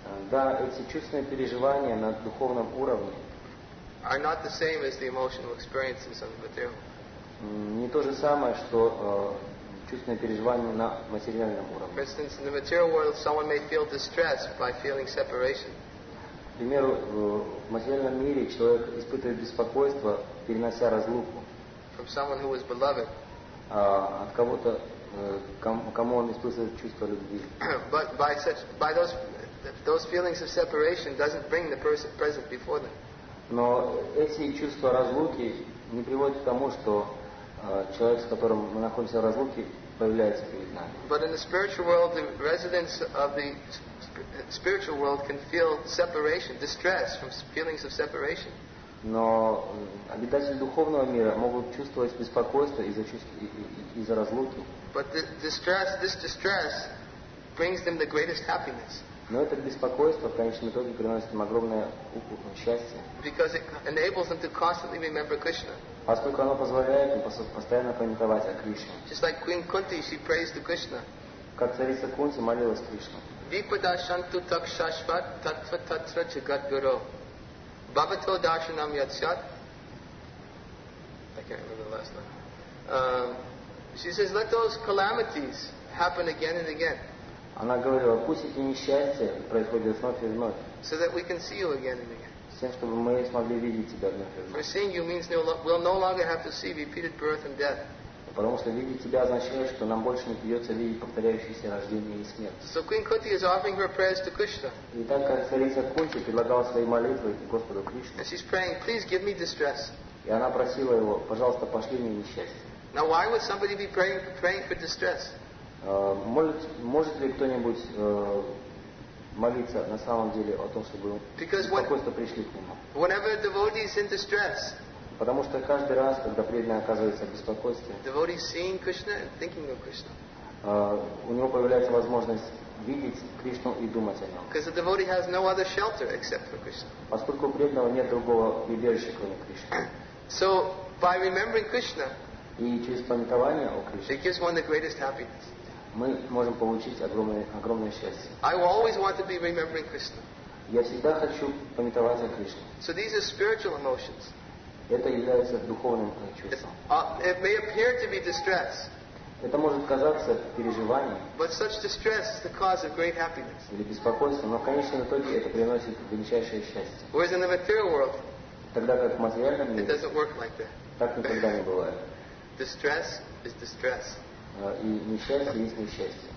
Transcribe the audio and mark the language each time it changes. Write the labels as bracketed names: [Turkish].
[Russian] Да, эти чувственные переживания на духовном уровне. [English] Are not the same as the emotional experiences on the material. [Russian] Не то же самое, что чувственные переживания на материальном уровне. [English] For instance, in the material world, someone may feel distress by feeling separation. [Russian] К примеру, в материальном мире человек испытывает беспокойство, перенося разлуку. [English] From someone who is beloved. [Russian] От кого-то, кому он испытывает чувство любви. [English] But by those feelings of separation doesn't bring the person present before them. [Russian] Но эти чувства разлуки не приводят к тому, что человек, с которым мы находимся в разлуке, появляется перед нами. [English] But in the spiritual world, the residents of the spiritual world can feel separation, distress from feelings of separation. [Russian] Но обитатели духовного мира могут чувствовать беспокойство из-за разлуки. [English] But this distress brings them the greatest happiness. [Russian] Но это беспокойство в конечном итоге приносит им огромное счастье. [English] Because it enables them to constantly remember Krishna. [Russian] Поскольку оно позволяет им постоянно памятовать о Кришне. [English] Just like Queen Kunti, she prays to Krishna. [Russian] Как царица Кунти молилась Кришне. [Sanskrit] Vipada shantu takshashvat tatva tatra jagat guru. Bhavato darshanam yatsyat. [English] I can't remember the last line. She says, let those calamities happen again and again. [Russian] Она говорила, пусть эти несчастья происходят вновь и вновь. [English] So that we can see you again and again. [Russian] С тем, чтобы мы смогли видеть тебя вновь и вновь. [English] For seeing you means we'll no longer have to see repeated birth and death. [Russian] Потому что видеть тебя означает, что нам больше не придется видеть повторяющиеся рождения и смерть. [English] So Queen Kunti is offering her prayers to Krishna. [Russian] И так как царица Кунти предлагала свои молитвы Господу Кришне. [English] And she's praying, please give me distress. [Russian] И она просила его, пожалуйста, пошли мне несчастье. [English] Now why would somebody be praying for distress? [Russian] Может ли кто-нибудь молиться на самом деле о том, чтобы беспокойство пришли к нему? [English] Whenever a devotee is in distress. [Russian] Потому что каждый раз, когда преданный оказывается в беспокойстве, [English] devotee seeing Krishna and thinking of Krishna. [Russian] У него появляется возможность видеть Кришну и думать о нем. [English] Because the devotee has no other shelter except for Krishna. [Russian] Поскольку у преданного нет другого убежища, кроме Кришны. [English] So by remembering Krishna, [Russian] и через памятование о Кришне, [English] it gives one the greatest happiness. [Russian] Мы можем получить огромное счастье. [English] I always want to be remembering Krishna. [Russian] Я всегда хочу памятовать о Кришне. [English] So these are spiritual emotions. [Russian] Это является духовным чувством. [English] It may appear to be distress. [Russian] Это может казаться переживанием. [English] But such distress is the cause of great happiness. [Russian] Или беспокойство, но в конечном итоге это приносит величайшее счастье. [English] Whereas in the material world, [Russian] тогда как в материальном мире, [English] it doesn't work like that. [Russian] Так никогда не бывает. [English] Distress is distress. [Russian] И несчастье есть несчастье.